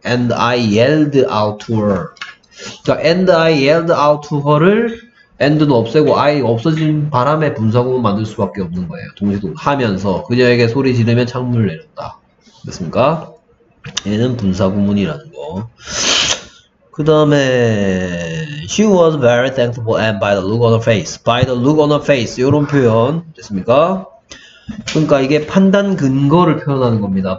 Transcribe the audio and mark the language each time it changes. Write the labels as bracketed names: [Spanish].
[English] and I yelled out to her. [Korean] 자, [English] and I yelled out to her를, and는 [Korean] 없애고, [English] I [Korean] 없어진 바람에 분사구문 만들 수 밖에 없는 거예요. 동시동 하면서, 그녀에게 소리 지르면 창문을 내렸다. 됐습니까? 얘는 분사구문이라는 거. 그 다음에 [English] She was very thankful and by the look on her face By the look on her face [Korean] 이런 표현 됐습니까? 그러니까 이게 판단 근거를 표현하는 겁니다.